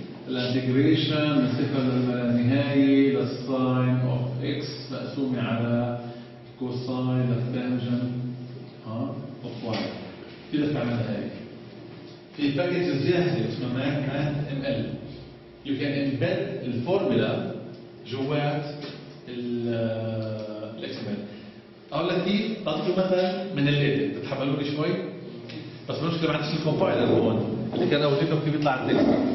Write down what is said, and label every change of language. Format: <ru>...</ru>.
<ar>الانتجريشن من صفر للنهاية للساين اوف اكس مقسومة على كوساين للتانجن اوف واي. فيك تعملها هيك. في باكيج جاهزة اسمها MathML.</ar> <en>You can embed the formula</en> <ar>جوات ال</ar> <en>XML.</en> <ar>أقول لك كيف تطلع مثلاً من الإيدت بتحملوني شوي. بس مش كده معندش الكومبايلر هون اللي كان أوريكم كيف بيطلع التكست.</ar>